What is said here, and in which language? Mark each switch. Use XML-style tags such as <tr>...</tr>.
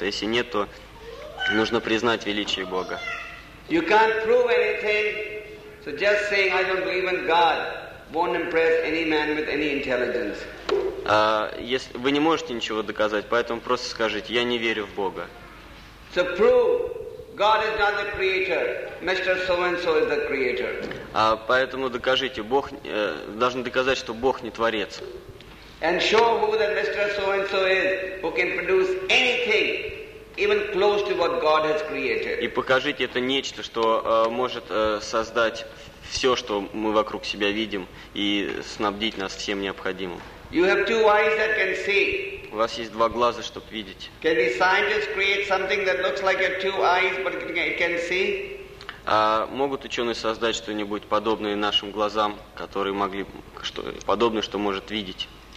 <ru>Если нет, то нужно признать величие Бога.</ru> <en>You can't prove anything, so just saying I don't believe in God won't impress any man with any intelligence.</en> <ru>Если вы не можете ничего доказать, поэтому просто скажите, я не верю в Бога.</ru> <en>So prove God is not the creator. Mr. So-and-so is the creator.</en> <ru>Поэтому докажите, Бог должны доказать, что Бог не творец.</ru> <en>And show who the Mr. So-and-so is, who can produce anything even close to what God has created.</en> <ru>И покажите это нечто, что может создать все, что мы вокруг себя видим, и снабдить нас всем необходимым.</ru> <en>You have two eyes that can see.</en> <ru>У вас есть два глаза, чтобы видеть.</ru> <en>Can the scientists create something that looks like your two eyes, but it can see?</en> <ru>Могут ученые создать что-нибудь подобное нашим глазам, которые могли что подобное, что может видеть?</ru>